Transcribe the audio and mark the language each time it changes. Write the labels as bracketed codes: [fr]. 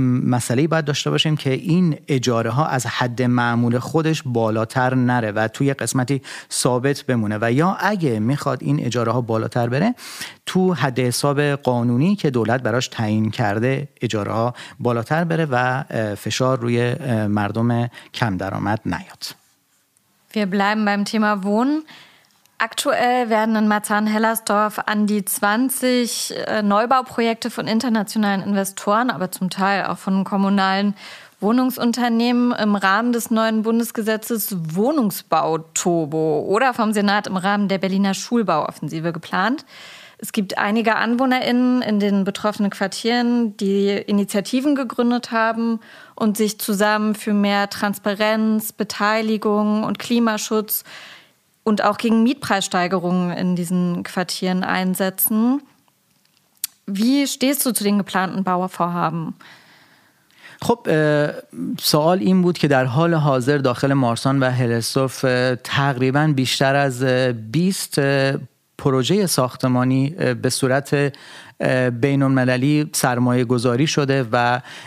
[fa] مسئله باید داشته باشیم که این اجاره ها از حد معمول خودش بالاتر نره و توی قسمتی ثابت بمونه، و یا اگه میخواد این اجاره ها بالاتر بره تو حد حساب قانونی که دولت براش تعیین کرده اجاره ها بالاتر بره و فشار روی مردم کم درآمد نیاد. [de] Wir bleiben beim Thema Wohnen. Aktuell werden in Marzahn-Hellersdorf an die 20 Neubauprojekte von internationalen Investoren, aber zum Teil auch von kommunalen Wohnungsunternehmen im Rahmen des neuen Bundesgesetzes Wohnungsbau-Turbo oder vom Senat im Rahmen der Berliner Schulbauoffensive geplant. Es gibt einige AnwohnerInnen in den betroffenen Quartieren, die Initiativen gegründet haben und sich zusammen für mehr Transparenz, Beteiligung und Klimaschutz und auch gegen Mietpreissteigerungen in diesen Quartieren einsetzen. Wie stehst du zu den geplanten Bauvorhaben? [fa] خب سوال این بود که در حال حاضر داخل مارسان و هلسوف تقریبا بیشتر از 20 پروژه ساختمانی به صورت بین‌المللی سرمایه گذاری شده و